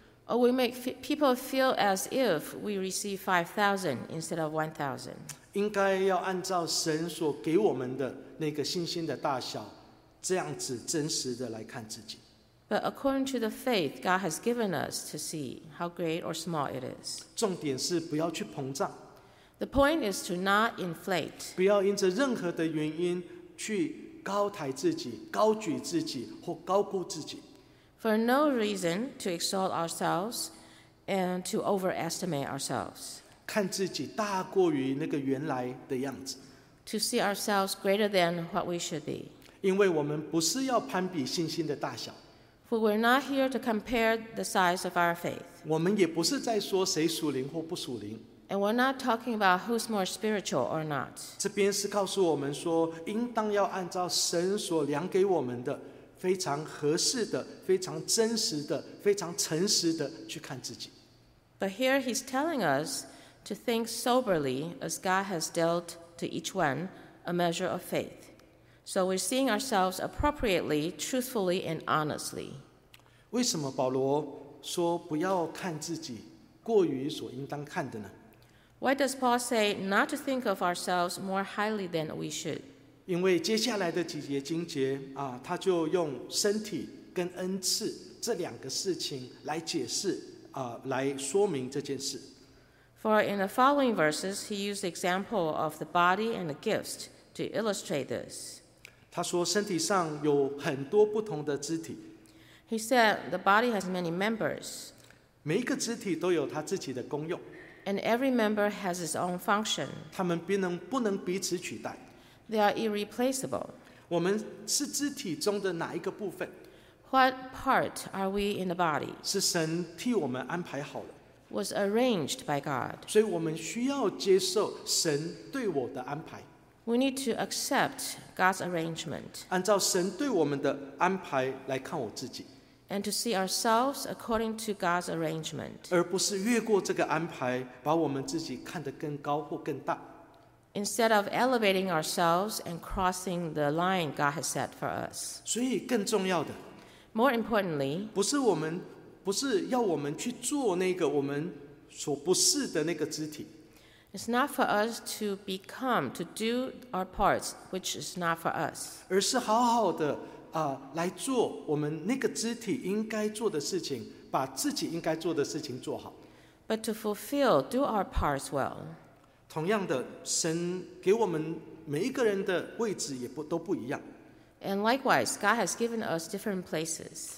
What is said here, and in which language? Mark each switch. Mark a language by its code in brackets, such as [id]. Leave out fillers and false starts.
[en] Or we make people feel as if we receive 5,000 instead of 1,000. [zh] 应该要按照神所给我们的那个信心的大小，这样子真实的来看自己。 [en] But according to the faith God has given us to see how great or small it is. [zh] 重点是不要去膨胀。 [en] The point is to not inflate. [zh] 不要因着任何的原因去高抬自己，高举自己，或高估自己。 [en] For no reason to exalt ourselves and to overestimate ourselves. [zh] 看自己大过于那个原来的样子。 [en] To see ourselves greater than what we should be. [zh] 因为我们不是要攀比信心的大小。 [en] For we're not here to compare the size of our faith. [zh] 我们也不是在说谁属灵或不属灵。 [en] And we're not talking about who's more spiritual or not. [zh] 这边是告诉我们说，应当要按照神所量给我们的，非常合适的，非常真实的，非常诚实的去看自己。 [en] But here he's telling us to think soberly as God has dealt to each one a measure of faith. So we're seeing ourselves appropriately, truthfully, and honestly. [zh] 为什么保罗说不要看自己过于所应当看的呢？ [en] Why does Paul say not to think of ourselves more highly than we should? [zh] 因为接下来的几节经节啊，他就用身体跟恩赐这两个事情来解释啊，来说明这件事。 [en] For in the following verses, he used the example of the body and the gifts to illustrate this. [zh] 他说身体上有很多不同的肢体。 [en] He said the body has many members. [zh] 每一个肢体都有他自己的功用。 [en] And every member has its own function. [zh] 他们不能彼此取代。 [en] They are irreplaceable. [zh] 我们是肢体中的哪一个部分？ [en] What part are we in the body? [zh] 是神替我们安排好的。 [en] Was arranged by God. [zh] 所以我们需要接受神对我的安排。 [en] We need to accept God's arrangement. [zh] 按照神对我们的安排来看我自己。 [en] And to see ourselves according to God's arrangement. [zh] 而不是越过这个安排，把我们自己看得更高或更大。 [en] Instead of elevating ourselves and crossing the line God has set for us. [zh] 所以更重要的。 [en] More importantly. [zh] 不是要我们去做那个我们所不是的那个肢体。 [en] It's not for us to become, to do our parts, which is not for us. [zh] 而是好好的来做我们那个肢体应该做的事情，把自己应该做的事情做好。 [en] But to fulfill, do our parts well. [zh] 同样的，神给我们每一个人的位置也不都不一样。 [en] And likewise, God has given us different places.